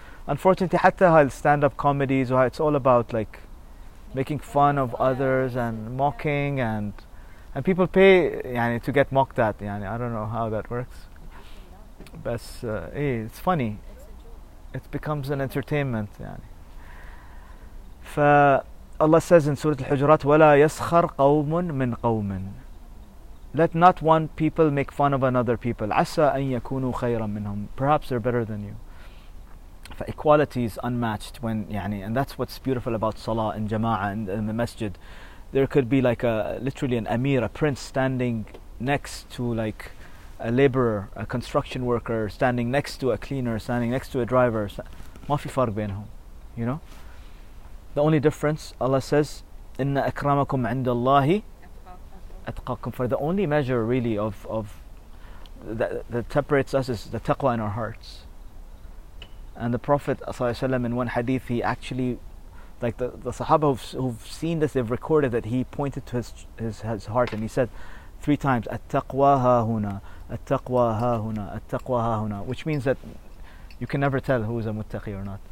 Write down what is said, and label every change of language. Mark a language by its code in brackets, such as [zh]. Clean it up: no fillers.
[en] Unfortunately, [ar] حتى هال [en] stand up comedies, it's all about like making fun of others and mocking and. And people pay [ar] يعني, [en] to get mocked at. يعني, I don't know how that works. But it's funny. It becomes an entertainment. [ar] يعني. [en] فAllah says in Surah Al-Hujurat, [ar] وَلَا يَسْخَرْ قَوْمٌ مِنْ قَوْمٍ. [en] Let not one people make fun of another people. [ar] عَسَىٰ أَن يَكُونُوا خَيْرًا مِنْهُمْ. [en] Perhaps they're better than you. فإquality is unmatched. When [ar] يعني, [en] and that's what's beautiful about Salah in Jama'ah and in the Masjid. There could be like a literally an emir, a prince standing next to like a laborer, a construction worker, standing next to a cleaner, standing next to a driver. [ar] ما في فرق بينهم, [en] you know? The only difference, Allah says, [ar] إن أكرمكم عند الله أتقاكم. [en] For the only measure really of that separates us is the taqwa in our hearts. And the Prophet [ar] صلى الله عليه وسلم, [en] in one hadith, he actually, like the Sahaba who've seen this, they've recorded that he pointed to his heart and he said three times, At-taqwa ha-huna, At-taqwa ha-huna, At-taqwa ha-huna, which means that you can never tell who is a muttaqi or not.